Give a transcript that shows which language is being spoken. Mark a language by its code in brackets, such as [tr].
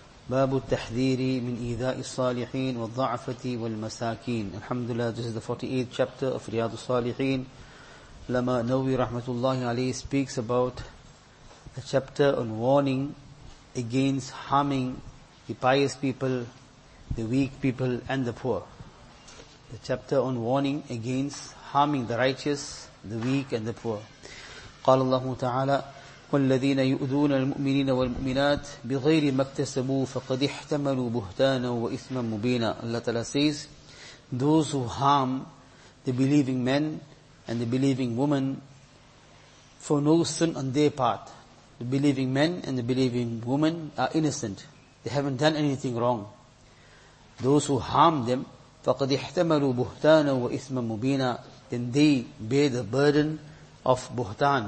[ar] باب التحذير من إيذاء الصالحين والضعفة والمساكين. الحمد لله. [en] This is the 48th chapter of رياض الصالحين. [ar] لما نووي رحمة الله عليه [en] speaks about a chapter on warning against harming the pious people, the weak people and the poor. The chapter on warning against harming the righteous, the weak and the poor. [ar] قال الله تعالى والذين يؤذون المؤمنين والمؤمنات بغير ما اكتسبوا فقد احتملوا بهتانا وإثما مبينا. [en] Allah Ta'ala says, those who harm the believing men and the believing women for no sin on their part. The believing men and the believing women are innocent. They haven't done anything wrong. Those who harm them, [ar] فقد احتملوا بهتانا وإثما مبينا, [en] then they bear the burden of بهتان.